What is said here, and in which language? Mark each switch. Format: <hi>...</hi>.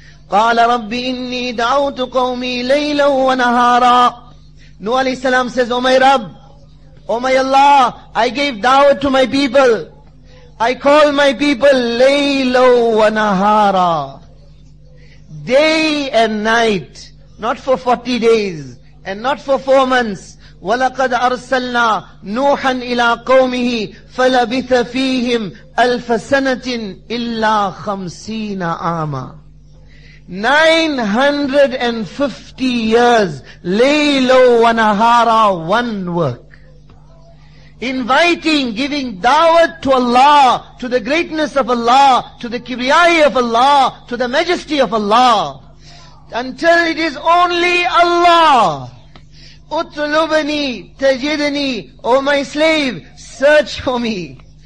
<ar>قَالَ رَبِّ إِنِّي دَعَوْتُ قَوْمِي لَيْلًا وَنَهَارًا</ar> <en>Nuh alayhi salam says, Oh my Rabb, Oh my Allah, I gave da'wah to my people. I called my people</en> <ar>لَيْلًا وَنَهَارًا</ar> <en>Day and night, not for 40 days, and not for 4 months.</en> <ar>وَلَقَدْ أَرْسَلْنَا نُوحًا إِلَىٰ قَوْمِهِ فَلَبِثَ فِيهِمْ أَلْفَ سَنَةٍ إِلَّا خَمْسِينَ عَامًا</ar> <en>950 years, Laylo wa Nahara, one work. Inviting, giving da'wah to Allah, to the greatness of Allah, to the kibriyai of Allah, to the majesty of Allah, until it is only Allah. Utlubani tajidani, O my slave, search for me.</en>